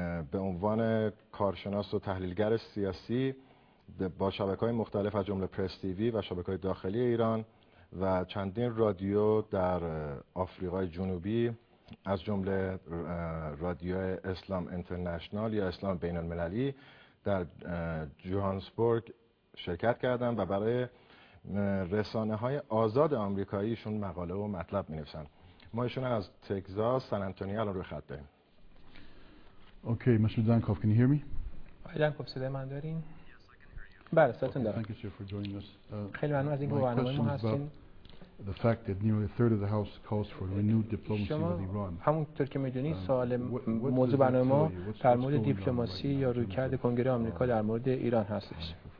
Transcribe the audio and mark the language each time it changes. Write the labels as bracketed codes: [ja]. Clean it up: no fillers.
[fa] به عنوان کارشناس و تحلیلگر سیاسی با شبکه‌های مختلف از جمله پرس تی وی و شبکه‌های داخلی ایران و چندین رادیو در آفریقای جنوبی از جمله رادیو اسلام اینترنشنال یا اسلام بین المللی در جوهانسبورگ شرکت کردند و برای رسانه‌های آزاد آمریکاییشون مقاله و مطلب می‌نویسن. ما ایشون از تگزاس سان آنتونیو الان روی خط داریم. [en] Okay, mister Dankov, can you hear me? [fa] آقای دانکوف، صدای من دارین؟ بله، صداتون دارم. [en] Thank you for joining us. [fa] خیلی ممنون از اینکه با برنامه ما هستین. [en] The fact that nearly a third of the House calls for renewed diplomacy with Iran. [fa] همونطور که می‌دونید، سوال موضوع برنامه ما در مورد دیپلماسی یا رویکرد کنگره آمریکا در مورد ایران هستش.